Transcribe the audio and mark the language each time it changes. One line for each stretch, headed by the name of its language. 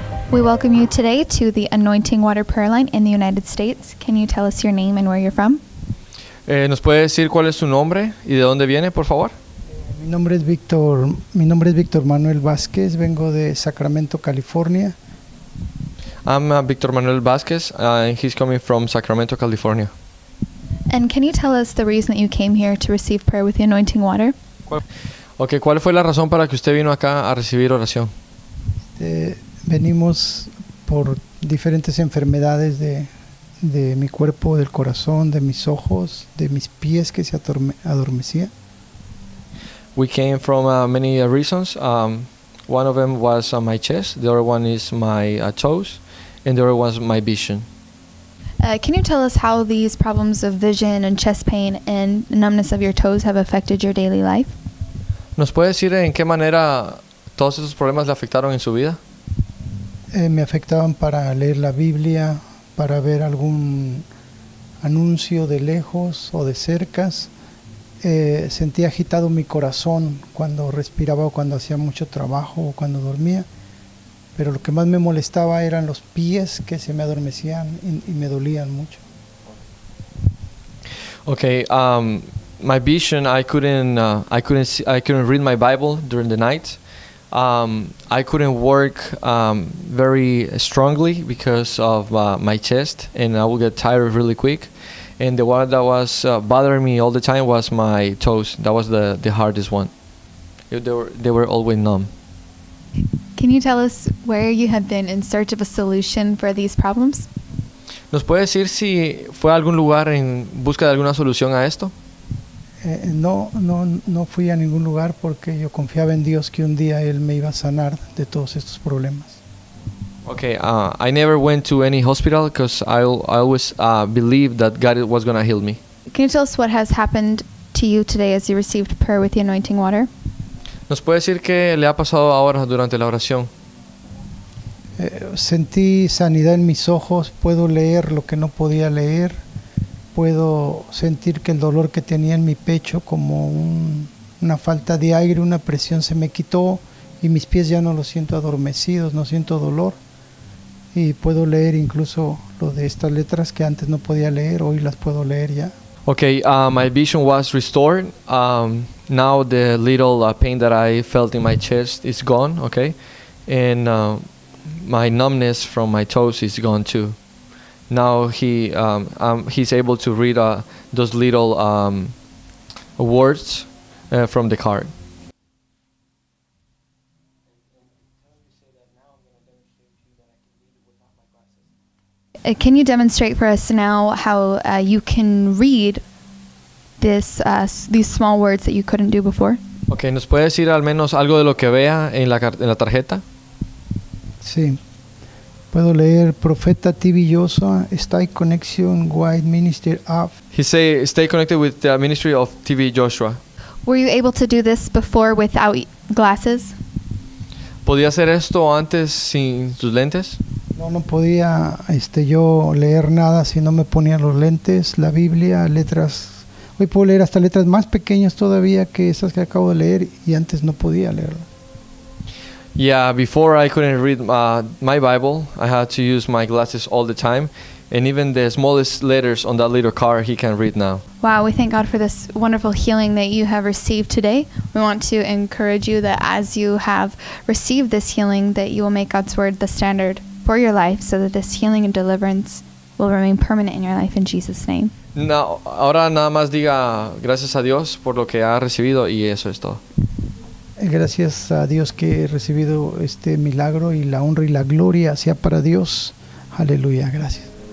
English: We welcome you today to the Anointing Water Prayer Line in the United States. Can you tell us your name and where you're from?
Spanish: ¿Nos puede decir cuál es su nombre y de dónde viene, por favor? Mi nombre es Víctor Manuel Vázquez. Vengo de Sacramento, California.
English: I'm Víctor Manuel Vázquez, and he's coming from Sacramento, California. And can you tell us the reason that you came here to receive prayer with the anointing water?
Spanish: Okay, ¿cuál fue la razón para que usted vino acá a recibir oración? Venimos por diferentes enfermedades de mi cuerpo, del corazón, de mis ojos, de mis pies que se adormecía.
English: We came from many reasons. One of them was my chest, the other one is my toes, and the other one is my vision. Can you tell us how these problems of vision and chest pain and numbness of your toes have affected your daily life?
Spanish: ¿Nos puede decir en qué manera todos esos problemas le afectaron en su vida? Me afectaban para leer la Biblia, para ver algún anuncio de lejos o de cercas. Sentía agitado mi corazón cuando respiraba o cuando hacía mucho trabajo o cuando dormía. Pero lo que más me molestaba eran los pies que se me adormecían y me dolían mucho.
English: Okay, my vision, I couldn't read my Bible during the night. I couldn't work very strongly because of my chest, and I would get tired really quick. And the one that was bothering me all the time was my toes. That was the hardest one. They were always numb. Can you tell us where you have been in search of a solution for these problems?
Spanish: ¿Nos puede decir si fue a algún lugar en busca de alguna solución a esto? No fui a ningún lugar porque yo confiaba en Dios que un día Él me iba a sanar de todos estos problemas.
English: Okay, I never went to any hospital because I always believed that God was going to heal me. Can you tell us what has happened to you today as you received prayer with the anointing water?
Spanish: ¿Nos puede decir qué le ha pasado ahora durante la oración? Sentí sanidad en mis ojos, puedo leer lo que no podía leer, puedo sentir que el dolor que tenía en mi pecho como una falta de aire, una presión se me quitó y mis pies ya no los siento adormecidos, no siento dolor y puedo leer incluso lo de estas letras que antes no podía leer, hoy las puedo leer ya.
English: Okay, my vision was restored. Now the little pain that I felt in my chest is gone, okay? And my numbness from my toes is gone too. Now he's able to read those little words from the card. Can you demonstrate for us now how you can read this these small words that you couldn't do before?
Spanish: Okay, ¿nos puede decir al menos algo de lo que vea en la tarjeta? Sí. Puedo leer Profeta TV Yosa,
English: Stay Connection Wide Ministry of. He say stay connected with the ministry of TV Joshua. Were you able to do this before without glasses?
Spanish: ¿Podía hacer esto antes sin sus lentes? No podía yo leer nada si no me ponía los lentes, la Biblia, letras. Hoy puedo leer hasta letras más pequeñas todavía que esas que acabo de leer y antes no podía leerlo.
English: Yeah, before I couldn't read my Bible, I had to use my glasses all the time. And even the smallest letters on that little card, he can read now. Wow, we thank God for this wonderful healing that you have received today. We want to encourage you that as you have received this healing, that you will make God's word the standard for your life so that this healing and deliverance will remain permanent in your life in Jesus' name.
Spanish: No, ahora nada más diga gracias a Dios por lo que ha recibido y eso es todo. Gracias a Dios que he recibido este milagro y la honra y la gloria sea para Dios. Aleluya, gracias.